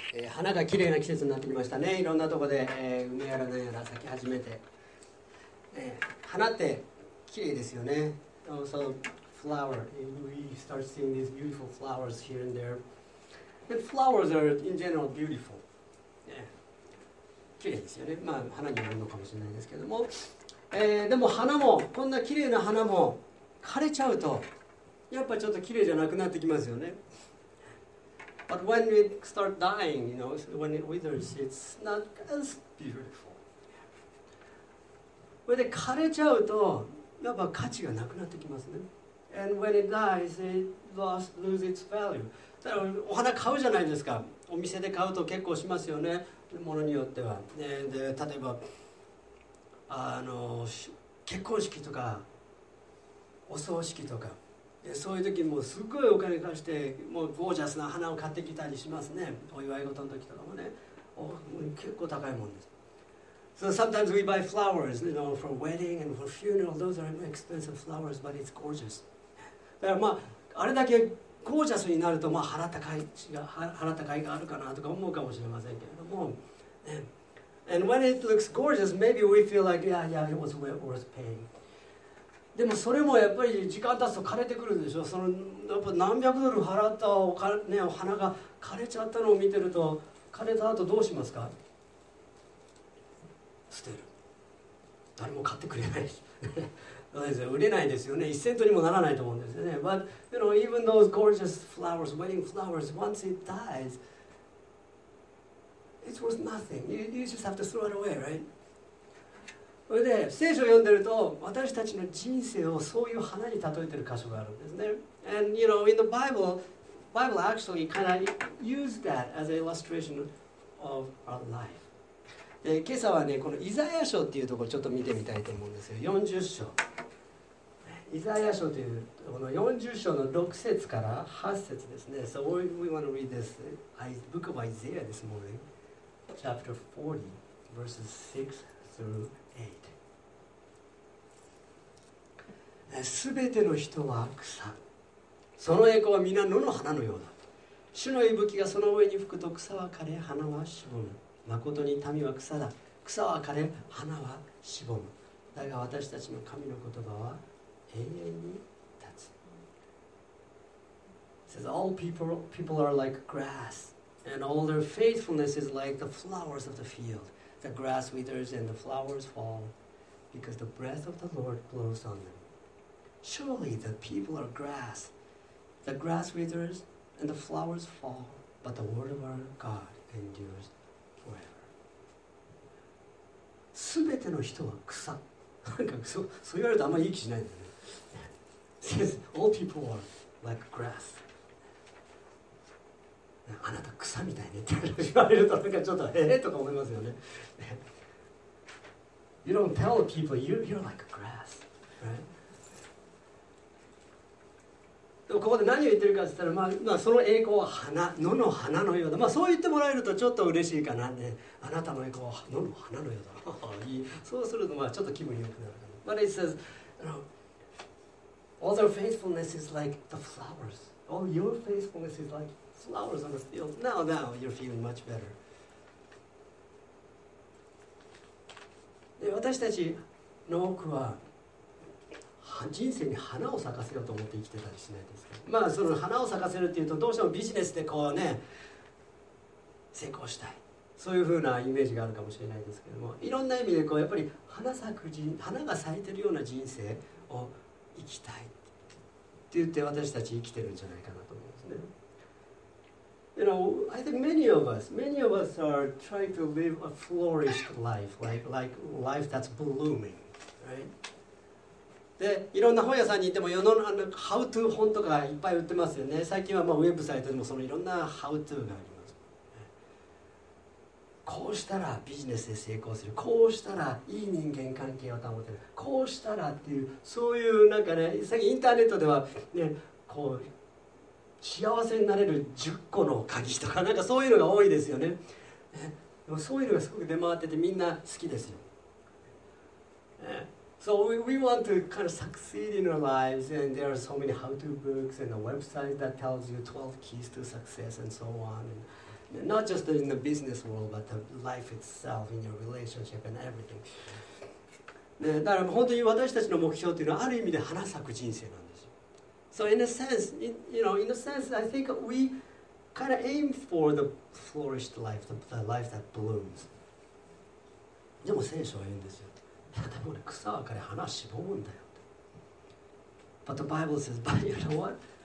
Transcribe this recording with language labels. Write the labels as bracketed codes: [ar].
[ja] 花が綺麗な季節になってきましたね。いろんなところで、梅やら何やら咲き始めて、花って綺麗ですよね。 [en] Also, flower. We start seeing these beautiful flowers here and there. But flowers are in general beautiful. [ja] Yeah. 綺麗ですよね。まあ花にもあるのかもしれないですけども、でも花もこんな綺麗な花も枯れちゃうと、やっぱちょっと綺麗じゃなくなってきますよね。 [en] But when we start dying, you know, when it withers, it's not as beautiful. [ja] これで枯れちゃうと、やっぱ価値がなくなってきますね。 [en] And when it dies, it loses its value. [ja] だからお花買うじゃないですか。お店で買うと結構しますよね。ものによっては。で例えば、結婚式とか、お葬式とか。そういう時もすごいお金貸してもうゴージャスな花を買ってきたりしますね。お祝い事の時とかもね、結構高いもんです。 [en] So sometimes we buy flowers, you know, for wedding and for funeral. Those are expensive flowers, but it's gorgeous. [ja] だからまああれだけゴージャスになるとまあ花高いがあるかなとか思うかもしれませんけれども、ね、 [en] And when it looks gorgeous, maybe we feel like yeah, it was worth paying. [ja] でもそれもやっぱり時間経つと枯れてくるんでしょ。そのやっぱ何百ドル払ったお金、ね、お花が枯れちゃったのを見てると枯れた後どうしますか？捨てる。誰も買ってくれないし売れないですよね。 1セントにもならないと思うんですよね。 [en] But you know, even those gorgeous flowers, wedding flowers, once it dies, it's worth nothing. You just have to throw it away, right? [ja] それで聖書を読んでると私たちの人生をそういう花に例えている箇所があるんですね。 [en] And you know, in the Bible actually kind of used that as an illustration of our life. [ja] で今朝はね、このイザヤ書っていうところをちょっと見てみたいと思うんですよ。40章。イザヤ書というこの40章の6節から8節ですね。 [en] So we want to read this book of Isaiah this morning, chapter 40, verses 6 through. [ja] すべての人は草、その栄光は皆野の花のようだ。主の息吹がその上に吹くと草は枯れ、花はしぼむ。まことに民は草だ、草は枯れ、花はしぼむ。だが私たちの神の言葉は永遠に立つ。 [en] It says all people are like grass, and all their faithfulness is like the flowers of the field. The grass withers and the flowers fall, because the breath of the Lord blows on them. Surely the people are grass. The grass withers and the flowers fall, but the word of our God endures forever. [ja] 全ての人は草。なんかそう言われるとあんまりいい気しないんだよね。 [en] All people are like grass. [ja] あなた草みたいねって言われるとなんかちょっととか思いますよね。 [en] You don't tell people you're like grass, right? [ja] ここで何を言ってるかって言ったら、まあ、その栄光は花、野の花のようだ。まあ、そう言ってもらえるとちょっと嬉しいかな、ね。あなたの栄光は野の花のようだ。そうすると、まあ、ちょっと気分良くなるかな。 [en] But it says, all their faithfulness is like the flowers. All your faithfulness is like flowers on the field. Now you're feeling much better. [ja] で私たちの多くは、人生に花を咲かせようと思って生きてたりしないですか。まあその花を咲かせるっていうとどうしてもビジネスでこうね成功したい、そういうふうなイメージがあるかもしれないですけども、いろんな意味でこうやっぱり花咲く人、花が咲いてるような人生を生きたいって言って私たち生きてるんじゃないかなと思うんですね。 [en] You know, I think many of us are trying to live a flourished life, like life that's blooming, right? [ja] でいろんな本屋さんに行っても世の中のハウトゥー本とかいっぱい売ってますよね。最近はまあウェブサイトでもそのいろんなハウトゥーがあります。こうしたらビジネスで成功する、こうしたらいい人間関係を保てる、こうしたらっていう、そういうなんかね、最近インターネットではね、こう幸せになれる10個の鍵とかなんかそういうのが多いですよね。でもそういうのがすごく出回っててみんな好きですよ。 [en] So we want to kind of succeed in our lives, and there are so many how-to books and a website that tells you 12 keys to success and so on. And Not just in the business world, but the life itself, in your relationship and everything. [ja] ね、だから本当に私たちの目標というのはある意味で花咲く人生なんですよ。 [en] So in a sense, in a sense, I think we kind of aim for the flourished life, the life that blooms. [ja] でも聖書は言うんですよ。でもね、草は枯れ、花はしぼむんだよ。 [en] But the Bible says, but you know what?